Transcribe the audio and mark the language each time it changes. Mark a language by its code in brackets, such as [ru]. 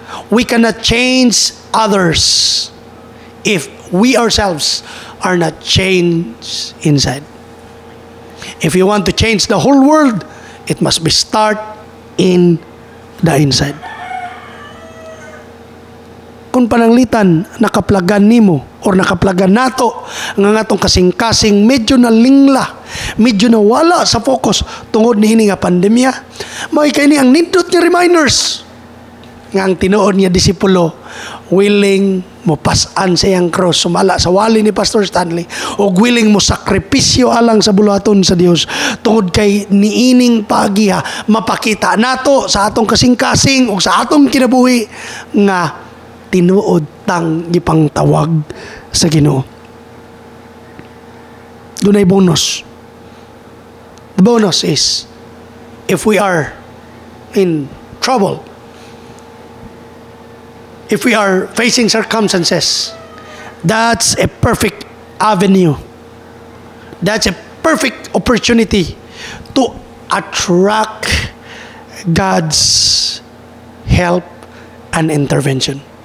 [en] We cannot change others if we ourselves are not changed inside. If you want to change the whole world, it must be start in the inside. [ceb] Kung pananglitan nakaplagan nimo or nakaplagan nato nga atong kasing-kasing medyo na lingla, medyo na wala sa focus tungod niini nga pandemya, may kay ni ang nindot nga reminders nga ang tinuod niya disipulo willing mo pasan sa iyang cross, sumala sa wali ni Pastor Stanley, og willing mo sakripisyo alang sa buluhaton sa Dios tungod kay niining pagiha mapakita nato sa atong kasing-kasing og sa atong kinabuhi nga tinuod tang gipangtawag sa Ginoo. Dunay bonus. [en] The bonus is if we are in trouble, if we are facing circumstances, that's a perfect avenue. That's a perfect opportunity to attract God's help and intervention.